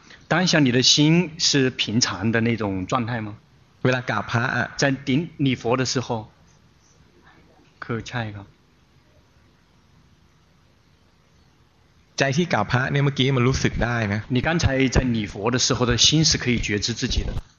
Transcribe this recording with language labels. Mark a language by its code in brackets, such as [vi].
[zh] 当下你的心是平常的那种状态吗 [th] เวลากราบพระอ่ะ [zh] 在顶礼佛的时候 [th] คือใช่ครับ ใจที่กราบพระเนี่ยเมื่อกี้มันรู้สึกได้นะ [zh] 你刚才在礼佛的时候的心是可以觉知自己的